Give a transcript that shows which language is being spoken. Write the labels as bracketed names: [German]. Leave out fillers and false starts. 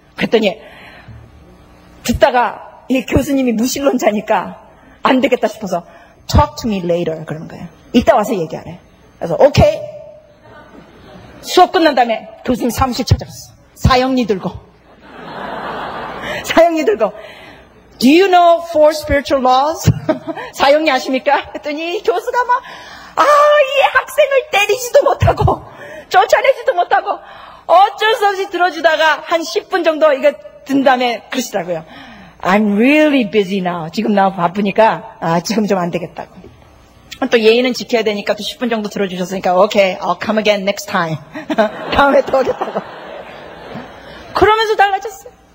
[Korean] 그랬더니 듣다가 이 교수님이 무신론자니까 안 되겠다 싶어서 [English] Talk to me later [Korean] 그러는 거예요. 이따 와서 얘기하래. 그래서 오케이. 수업 끝난 다음에 교수님 사무실 찾아갔어. 사형리 들고. 사형리 들고. [English] Do you know four spiritual laws? [Korean] 사형리 아십니까? 그랬더니 교수가 막, 아, 이 학생을 때리지도 못하고, 쫓아내지도 못하고, 어쩔 수 없이 들어주다가 한 10분 정도 이거 든 다음에 그러시더라고요. [English] I'm really busy now. [Korean] 지금 나 바쁘니까, 아, 지금 좀 안 되겠다고. 또 예의는 지켜야 되니까 또 10분 정도 들어주셨으니까 오케이, [English] I'll come again next time. [Korean] 다음에 또 오겠다고. 그러면서 달라졌어요.